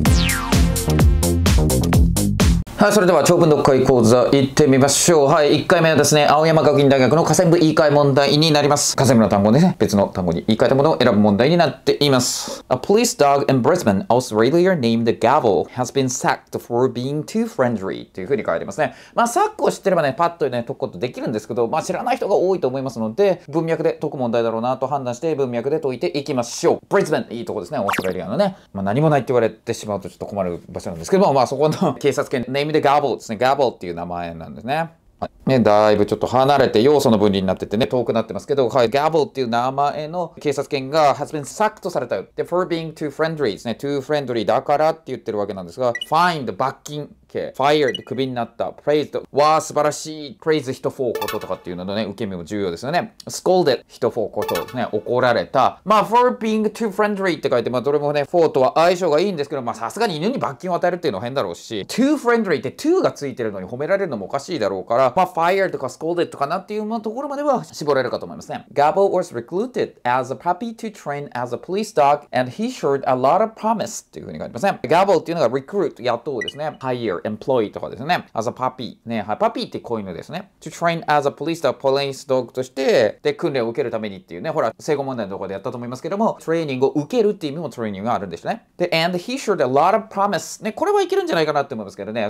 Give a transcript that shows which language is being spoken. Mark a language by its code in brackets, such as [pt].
[ja] はい、それでは長文読解講座行ってみましょう。はい、1回目はですね、青山学院大学の下線部言い換え問題になります。下線部の単語でね、別の単語に言い換えたものを選ぶ問題になっています。 [en] A police dog in Brisbane, Australia named Gavel, has been sacked for being too friendly [ja] というふうに書いてますね。まあ、サックを知ってればね、パッとね、解くことできるんですけど、まあ知らない人が多いと思いますので、文脈で解く問題だろうなと判断して文脈で解いていきましょう。 Brisbane、 いいとこですね、オーストラリアのね。まあ何もないって言われてしまうとちょっと困る場所なんですけども、まあそこの警察犬ネームでガーボーですね。ガーボーっていう名前なんですね。ね、だいぶちょっと離れて要素の分離になっててね、遠くなってますけど、はい、ガボっていう名前の警察犬が [en] has been sacked [ja] されたよ。 [en] で、for being too friendly [ja] ですね。 too friendly だからって言ってるわけなんですが、fined 罰金刑、fired 首になった、praised は素晴らしい、praise 人for こととかっていうののね、受け身も重要ですよね。 scolded 人 for ことですね、怒られた。まあ [en] for being too friendly [ja] って書いて、まあどれもね、for とは相性がいいんですけど、まあさすがに犬に罰金を与えるっていうのは変だろうし、too friendly って too がついてるのに褒められるのもおかしいだろうから、まあfired とか scolded とかなっていうところまでは絞れるかと思いますね。 [en] Gabo was recruited as a puppy to train as a police dog and he showed a lot of promise [ja] っていうふうに書いてますね。 Gabo っていうのが recruit 雇うですね。hire employ とかですね。 as a puppy ね、はい、puppy って子犬ですね。 [en] to train as a police dog [ja] police dog としてで訓練を受けるためにっていうね、ほら正誤問題のところでやったと思いますけども、トレーニングを受けるっていう意味もトレーニングがあるんでしょうね。で [en] and he showed a lot of promise [ja] ね、これはいけるんじゃないかなって思いますけどね。